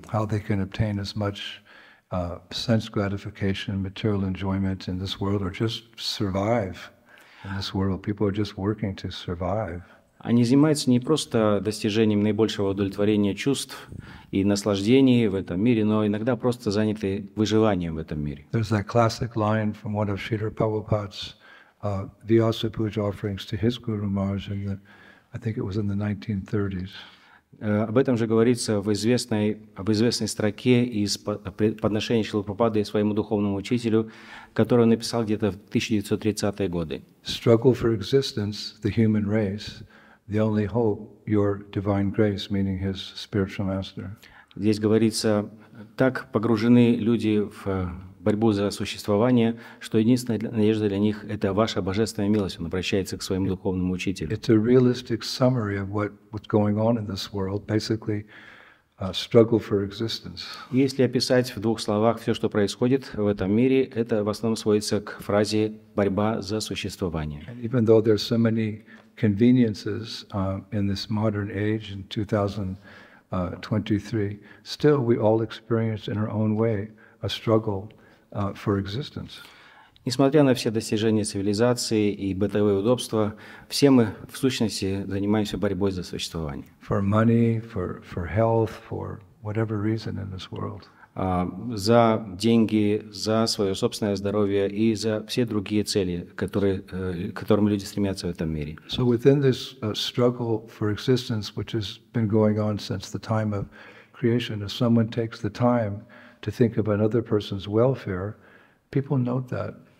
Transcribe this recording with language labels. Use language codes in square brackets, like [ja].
[en] How they can obtain as much sense gratification, material enjoyment in this world, or just survive in this world. People are just working to survive. [ru] Они занимаются не просто достижением наибольшего удовлетворения чувств и наслаждений в этом мире, но иногда просто заняты выживанием в этом мире. [en] There's that classic line from one of Srila Prabhupada's Vyasa Puja offerings to his Guru Maharaj, and I think it was in the 1930s. [ru] Об этом же говорится в известной строке из подношения Шрилы Прабхупады своему духовному учителю, которую он написал где-то в 1930-е годы. [en] Struggle for existence, the human race. The only hope, your divine grace, meaning his spiritual master. [ru] Здесь говорится, так погружены люди в борьбу за существование, что единственная надежда для них – это ваша божественная милость. Он обращается к своему духовному учителю. [en] It's a realistic summary of what's going on in this world, basically a struggle for existence. [ru] Если описать в двух словах все, что происходит в этом мире, это в основном сводится к фразе «борьба за существование». [en] And even though there's so many conveniences in this modern age in 2023, still we all experience in our own way a struggle for existence. [ru] Несмотря на все достижения цивилизации и бытовые удобства, все мы в сущности занимаемся борьбой за существование. [en] For money, for health, for whatever reason in this world. [ru] За деньги, за свое собственное здоровье и за все другие цели, к которым люди стремятся в этом мире. [en] So within this struggle for existence, which has been going on since the time of creation, if someone takes the time to think of another person's welfare, people note that.